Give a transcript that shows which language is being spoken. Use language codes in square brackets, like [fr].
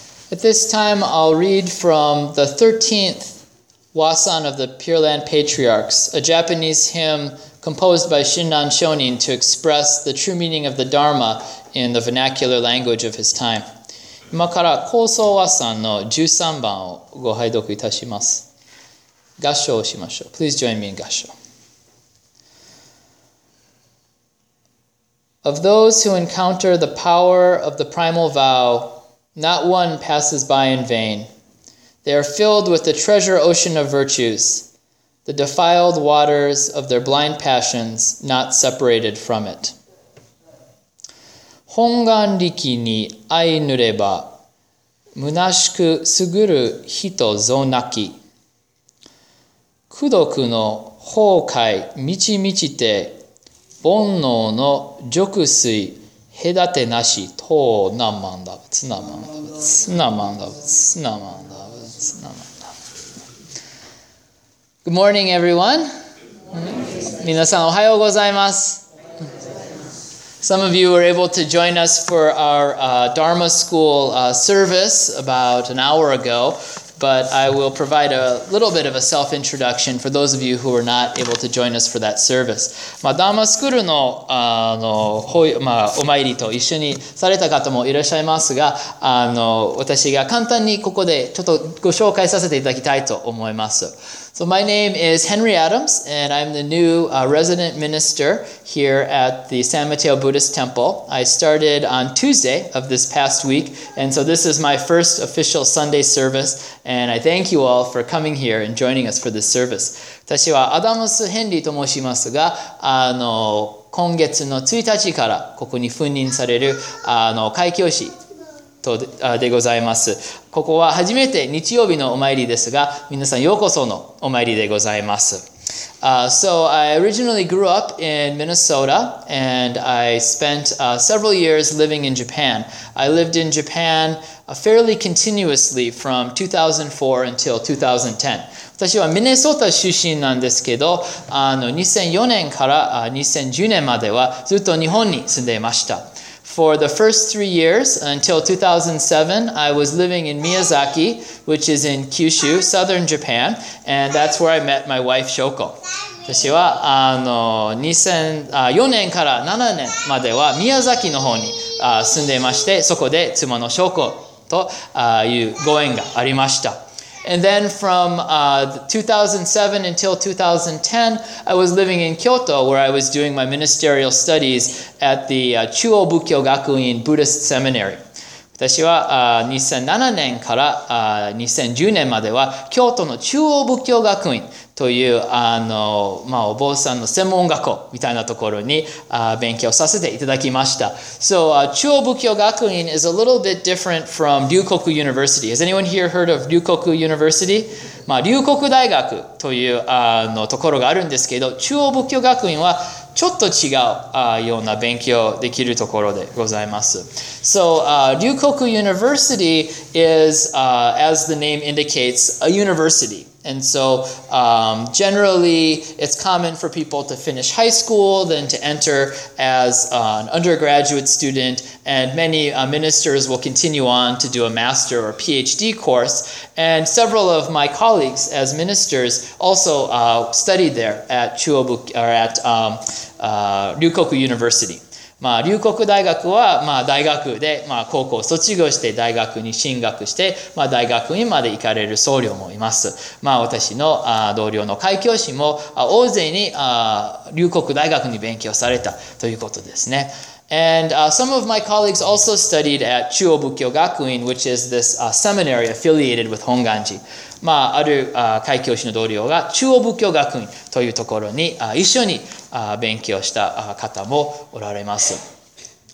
[en] At this time, I'll read from the 13th Wasan of the Pure Land Patriarchs, a Japanese hymn composed by Shinran Shonin to express the true meaning of the Dharma in the vernacular language of his time. [ja] 今から高僧和尚の13番をご拝読いたします。合唱をしましょう。 [en] Please join me in [ja] 合唱。 [en] Of those who encounter the power of the primal vow,Not one passes by in vain. They are filled with the treasure ocean of virtues, the defiled waters of their blind passions not separated from it. [ja] 本願力に相ぬれば、虚しくすぐる人ぞなき。功徳の崩壊満ち満ちて、煩悩の浄水隔てなし、とうなまんだぶつなまんだぶつなまんだぶつなまんだぶつなまんだ [en] ぶ。Good morning, everyone. [ja] みなさん、おはようございます。 [en] Some of you were able to join us for our Dharma School service about an hour ago, but I will provide a little bit of a self-introduction for those of you who were not able to join us for that service. [ja] まあ、ダーマスクールの、まあ、お参りと一緒にされた方もいらっしゃいますが、私が簡単にここでちょっとご紹介させていただきたいと思います。 [en] So my name is Henry Adams, and I'm the new resident minister here at the San Mateo Buddhist Temple. I started on Tuesday of this past week, and so this is my first official Sunday service, and I thank you all for coming here and joining us for this service. [ja] 私はアダムス・ヘンリーと申しますが、今月の1日からここに赴任される開教師でございます。ここは初めて日曜日のお参りですが、皆さんようこそのお参りでございます。 [en] So I originally grew up in Minnesota, and I spent several years living in Japan. I lived in Japan fairly continuously from 2004 until 2010. [ja] 私はミネソータ出身なんですけど、2004年から2010年まではずっと日本に住んでいました。 [en] For the first 3 years, until 2007, I was living in Miyazaki, which is in Kyushu, southern Japan, and that's where I met my wife, Shoko. [ja] 私は2004年から7年までは宮崎の方に住んでいまして、そこで妻の Shoko というご縁がありました。 [en] And then from 2007 until 2010, I was living in Kyoto where I was doing my ministerial studies at the Chuo Bukyo Gakuin Buddhist Seminary. [ja] 私は2007年から2010年までは京都の中央仏教学院というまあ、お坊さんの専門学校みたいなところに勉強させていただきました。 [en] So, 中央仏教学院 is a little bit different from 琉国 University. Has anyone here heard of 琉国 University? [ja] まあ、琉国大学というところがあるんですけど、中央仏教学院はちょっと違うような勉強できるところでございます。 [en] So, 琉国 University is, as the name indicates, a university. And so, generally, it's common for people to finish high school, then to enter as an undergraduate student, and many ministers will continue on to do a master or PhD course. And several of my colleagues as ministers also studied there at Ryukoku University. [ja] まあ、琉国大学は、まあ、大学で、まあ、高校を卒業して大学に進学して、まあ、大学院まで行かれる僧侶もいます。まあ、私の同僚の開教師も大勢に琉国大学に勉強されたということですね。 [en] And some of my colleagues also studied at Chuo Bukyo Gakuin, which is this seminary affiliated with Honganji. [ja] まあ、ある開教師の同僚が中央仏教学院というところに一緒に勉強した方もおられます。